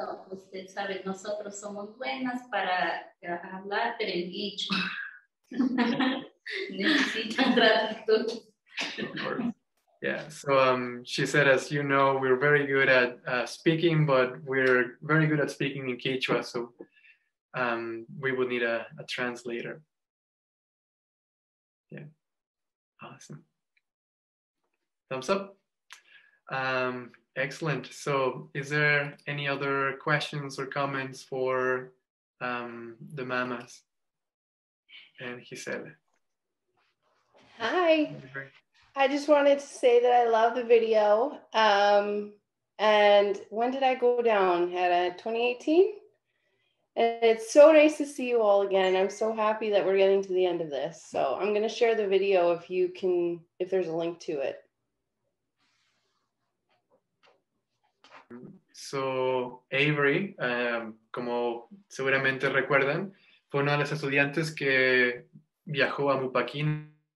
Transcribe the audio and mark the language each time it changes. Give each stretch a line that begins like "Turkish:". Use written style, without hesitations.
Spanish: Usted sabe, nosotros somos buenas para hablar, pero el dicho necesita traducción.
English: Yeah, so she said, as you know, we're very good at speaking, but we're very good at speaking in Quechua, so we would need a translator. Yeah, awesome. Thumbs up. Excellent. So is there any other questions or comments for the mamas and Gisele? Hi. I just wanted to say that I love the video. And when did I go down? At 2018? And it's so nice to see you all again. I'm so happy that we're getting to the end of this. So I'm going to share the video if you can, if there's a link to it.
Spanish: So Avery, como seguramente recuerdan, fue una de las estudiantes que viajó a Mupakin.